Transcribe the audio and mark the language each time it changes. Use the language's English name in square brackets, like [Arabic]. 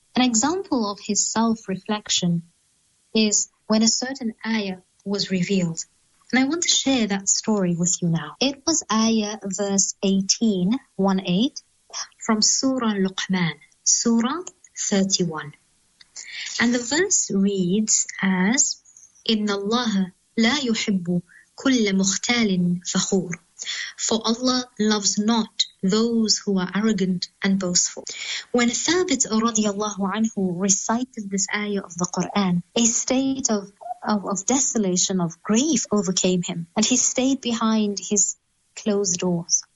[English] An example of his self-reflection is when a certain ayah was revealed. And I want to share that story with you now. It was ayah verse 18:18 from Surah Luqman, Surah 31. And the verse reads as, [Arabic] إِنَّ اللَّهَ لَا يُحِبُّ كُلَّ مُخْتَالٍ فَخُورٍ. [English] For Allah loves not those who are arrogant and boastful. When Thabit radiallahu anhu recited this ayah of the Quran, a state of desolation, of grief overcame him, and he stayed behind his closed doors.